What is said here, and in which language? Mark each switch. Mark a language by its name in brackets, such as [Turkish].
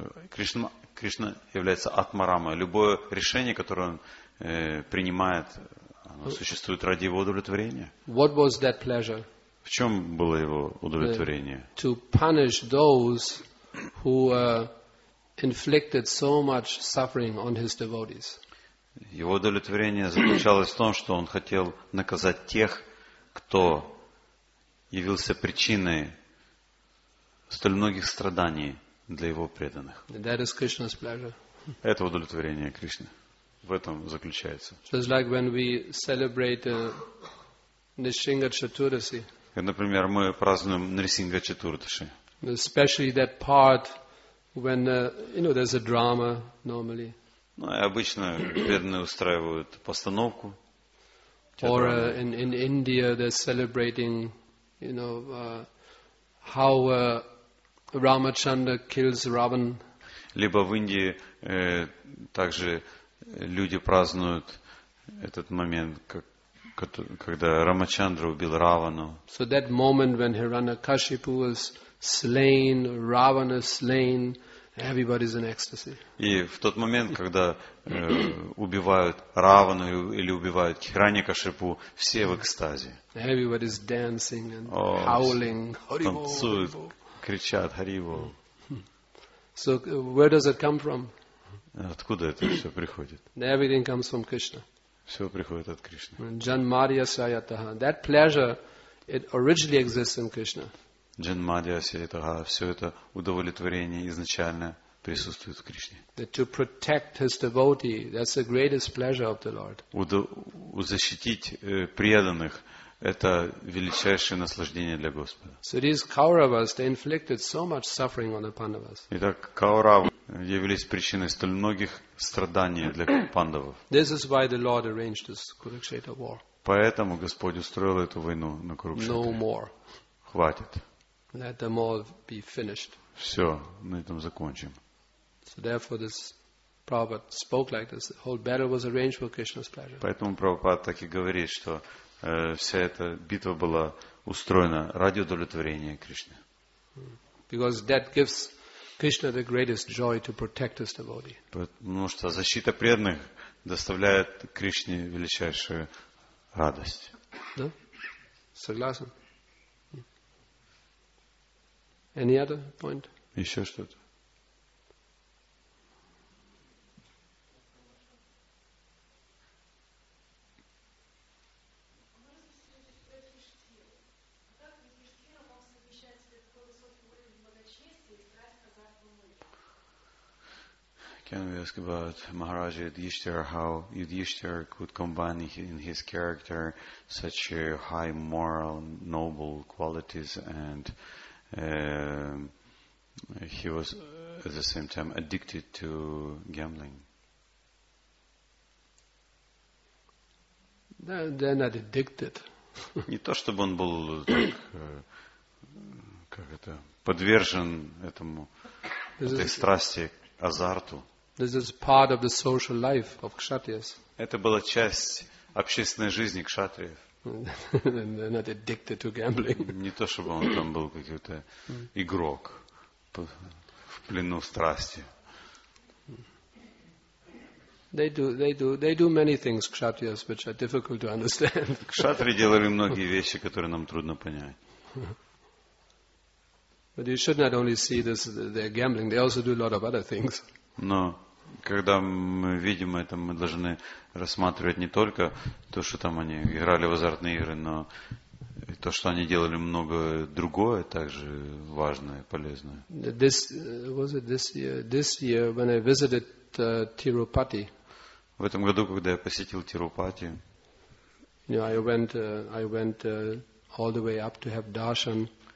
[Russian] Кришна является атмарамой. Любое решение, которое он принимает, оно существует ради его удовлетворения. [English] What was that pleasure? [Russian] В чем было его удовлетворение? [English] To punish those who inflicted so much suffering on his devotees. [Russian] Его удовлетворение заключалось в том, что он хотел наказать тех, кто явился причиной столь многих страданий для его преданных. [English] That is Krishna's pleasure. [Russian] Это удовлетворение Кришны. В этом заключается. [English] Just like when we celebrate Нисинга Чатурдаси. [Russian] Например, мы празднуем Нрисинга Чатурдаши. [English] Especially that part when you know there's a drama normally. [Russian] Ну, и обычно преданные устраивают постановку. [English] Or in India they're celebrating, you know, how Ramachandra kills Ravan. [Russian] Либо в Индии также люди празднуют этот момент, как когда Рамачандра убил Равану. [English] So that moment when Hiranyakashipu was slain, Ravana slain, everybody's in ecstasy. [Russian] И в тот момент, когда убивают Равану или убивают Хираньякашипу, все в экстазе. [English] Everybody's dancing and howling. [Russian] Танцуют, кричат Харибол. [English] So where does it come from? [Russian] Откуда это все приходит? [English] Everything comes from Krishna. [Russian] Все приходит от Кришны. [Sanskrit] Janmadhya Sayataha. [English] That pleasure, it originally exists in Krishna. [Sanskrit] Janmadhya Sayataha. [Russian] Все это удовлетворение изначально присутствует в Кришне. [English] That to protect his devotee, that's the greatest pleasure of the Lord. [Russian] Защитить преданных это величайшее наслаждение для Господа. [English] So these Kauravas, they inflicted so much suffering on the Pandavas. [Russian] Итак, Кауравы явились причиной столь многих страданий для пандавов. [English] This is why the Lord arranged this Kurukshetra war. [Russian] Поэтому Господь устроил эту войну на Курукшетре. [English] No more. [Russian] Хватит. [English] Let them all be finished. [Russian] Все, на этом закончим. [English] So therefore this Prabhupada spoke like this. The whole battle was arranged for Krishna's pleasure. [Russian] Поэтому Прабхупада так и говорит, что вся эта битва была устроена ради удовлетворения Кришны. [English] Because that gives Krishna the greatest joy to protect his devotee. [Russian] Потому что защита преданных доставляет Кришне величайшую радость. Да? Согласен? [English] Any other point? [Russian] Еще что-то? [English] Can we ask about Maharaj Yudhishthira, how Yudhishthira could combine in his character such a high moral, noble qualities, and he was at the same time addicted to gambling? They're not addicted. [Russian] Не то чтобы он был так, как это, подвержен этому, этой страсти, азарту. [English] This is part of the social life of kshatriyas. [Russian] Это была часть общественной жизни кшатриев. [English] They're not addicted to gambling. [Russian] Не то чтобы он там был какой-то игрок в плену страсти. [English] They do many things kshatriyas which are difficult to understand. [Russian] Кшатрии делали многие вещи, которые нам трудно понять. [English] But you should not only see this their gambling, they also do a lot of other things. [Russian] Но когда мы видим это, мы должны рассматривать не только то, что там они играли в азартные игры, но и то, что они делали много другое, также важное, полезное. [English] This year, when I visited Tirupati. [Russian] В этом году, когда я посетил Тирупати. [English] You know, I went all the way up to have darshan.